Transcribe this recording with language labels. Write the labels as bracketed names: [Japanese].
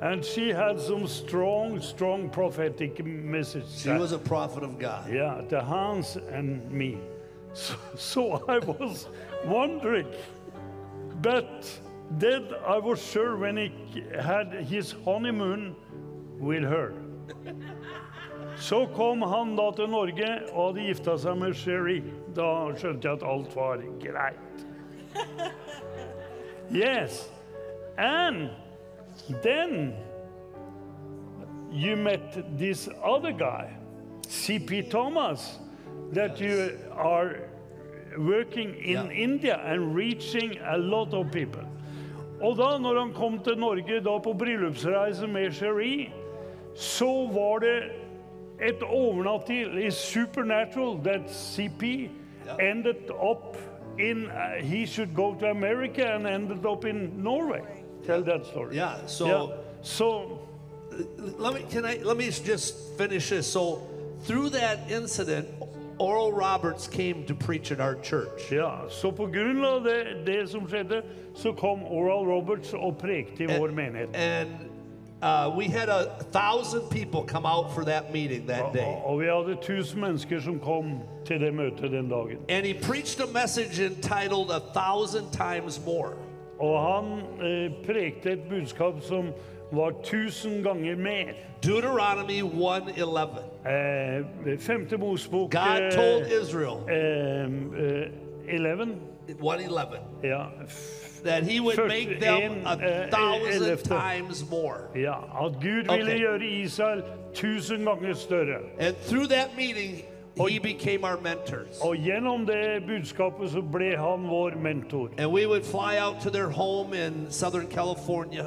[English] And she had some strong, strong prophetic message. She was a prophet of God. Yeah, to Hans and me. So I was wondering, but then I was sure when he had his honeymoon with her. [Norwegian] Så kom han da til Norge og hadde gifta seg med Sheree. Da skjønte jeg at alt var greit. [English] Yes, and then you met this other guy, C.P. Thomas, that yes. You are working in yeah. India and reaching a lot of people. [Norwegian] Og da når han kom til Norge da på bryllupsreise med Sheree, så var det et overnaturlig [English] supernatural that CP yeah. ended up in, he should go to America and ended up in Norway. Tell yeah. that story. Yeah, so. Yeah. So. Let me just finish this. So through that incident, Oral Roberts came to preach at our church. [Norwegian] Yeah, so på grunn av det som skjedde, så kom Oral Roberts og prekte I vår menighet. [English] And we had 1,000 people come out for that meeting that day. [Norwegian] Og vi hadde 1,000 mennesker som kom til det møtet den dagen. [English] And he preached a message entitled 1,000 times more. [Norwegian] Og han prekte et budskap som var 1,000 ganger mer. [English] Deuteronomy 1:11. [Norwegian] Femte Mosebok. [English] God told Israel. 11. 1:11. Yeah. That he would make them 1,000 times more. Yeah. [Norwegian] At Gud ville gjøre Israel 1,000 ganger større. [English] And through that meeting, he became our mentors. [Norwegian] Og gjennom det budskapet så ble han vår mentor. [English] And we would fly out to their home in Southern California.